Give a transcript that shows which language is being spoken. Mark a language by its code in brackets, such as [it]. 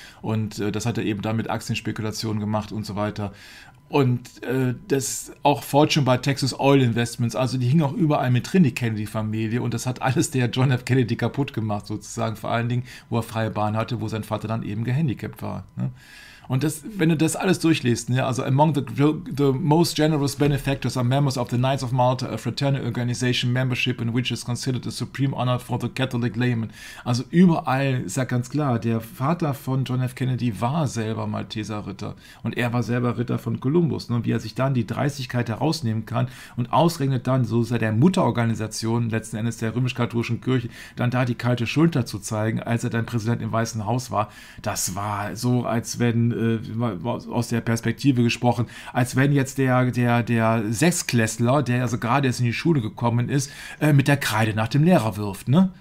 [de] Und das hat er eben dann mit Aktienspekulationen gemacht und so weiter. Und das auch Fortune bei Texas Oil Investments, also die hing auch überall mit drin, die Kennedy-Familie. Und das hat alles der John F. Kennedy kaputt gemacht sozusagen, vor allen Dingen, wo er freie Bahn hatte, wo sein Vater dann eben gehandicapt war. Ne? Und das, wenn du das alles durchliest, ne, also [en] among the most generous benefactors are members of the Knights of Malta, a fraternal organization membership in which is considered a supreme honor for the Catholic layman. [de] Also überall ist ja ganz klar, der Vater von John F. Kennedy war selber Malteser-Ritter und er war selber Ritter von Kolumbus. Ne, und wie er sich dann die Dreistigkeit herausnehmen kann und ausrechnet dann, so sei der Mutterorganisation letzten Endes der römisch-katholischen Kirche, dann da die kalte Schulter zu zeigen, als er dann Präsident im Weißen Haus war, das war so, als wenn aus der Perspektive gesprochen, als wenn jetzt der Sechsklässler, der also gerade jetzt in die Schule gekommen ist, mit der Kreide nach dem Lehrer wirft. Ne?